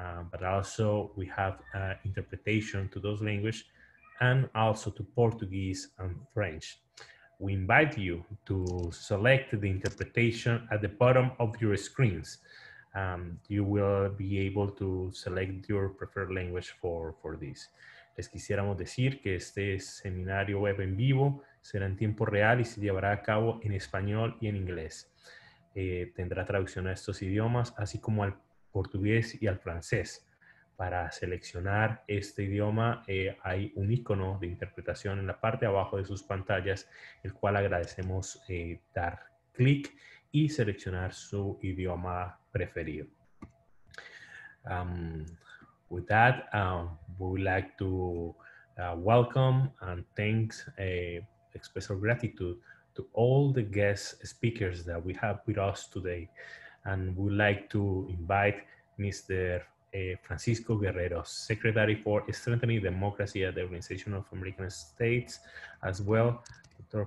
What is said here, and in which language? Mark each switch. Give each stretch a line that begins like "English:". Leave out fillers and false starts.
English: But also we have interpretation to those languages and also to Portuguese and French. We invite you to select the interpretation at the bottom of your screens. You will be able to select your preferred language for this.
Spanish: Les quisiéramos decir que este seminario web en vivo será en tiempo real y se llevará a cabo en español y en inglés. Tendrá traducción a estos idiomas, así como al portugués y al francés. Para seleccionar este idioma hay un icono de interpretación en la parte de abajo de sus pantallas, el cual agradecemos dar clic y seleccionar su idioma preferido.
English: With that, we would like to welcome and thanks express our gratitude to all the guest speakers that we have with us today. And we'd like to invite Mr. Francisco Guerrero, Secretary for Strengthening Democracy at the Organization of American States, as well, Dr.